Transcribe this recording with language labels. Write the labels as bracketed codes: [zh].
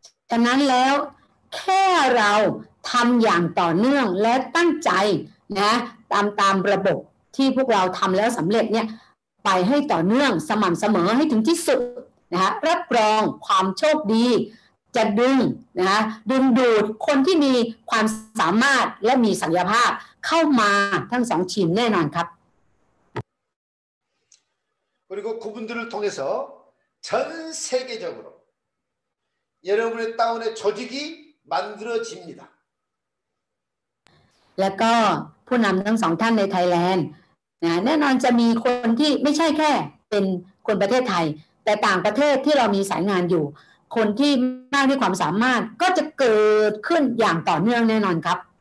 [th] ฉะนั้นแล้วแค่เราทำอย่างต่อเนื่องและตั้งใจนะตามระบบที่พวกเราทำแล้วสำเร็จเนี่ยไปให้ต่อเนื่องสม่ำเสมอให้ถึงที่สุดนะฮะรับรองความโชคดีจะดึงนะฮะดึงดูดคนที่มีความสามารถและมีศักยภาพเข้ามาทั้งสองทีมแน่นอนครับ [ko] 그리고그분들을통해서전세계적으로여러분의다운의조직이만들어집니다 [th] แล้วก็ผู้นำทั้งสองท่านในไทยแลนด์นะแน่นอนจะมีคนที่ไม่ใช่แค่เป็นคนประเทศไทยแต่ต่างประเทศที่เรามีสายงานอยู่คนที่มากที่ความสามารถก็จะเกิดขึ้นอย่างต่อเนื่องแน่นอนครับ